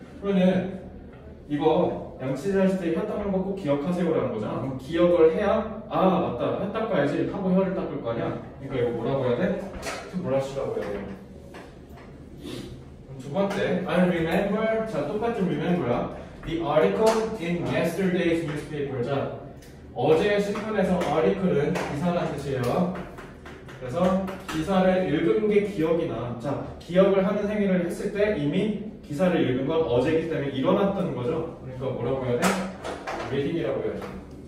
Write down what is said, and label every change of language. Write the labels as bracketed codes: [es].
[ko] 그러면은 이거 양치질 했을 때 혀 닦는 거 꼭 기억하세요 라는 거잖아. 그럼 기억을 해야 아 맞다 혀 닦아야지 하고 혀를 닦을 거 아니야. 그러니까 이거 뭐라고 해야 돼? [en] to brush [ko] 라고 해야 돼. 그럼 두 번째 [en] I remember. [ko] 자 똑같은 remember야. [en] The article in yesterday's newspaper. [ko] 자 어제 신문에서 article은 기사라는 뜻이에요. 그래서 기사를 읽은 게 기억이나 자 기억을 하는 행위를 했을 때 이미 기사를 읽은 건 어제이기 때문에 일어났던 거죠. 그러니까 뭐라고 해야 돼? reading이라고 해야 돼.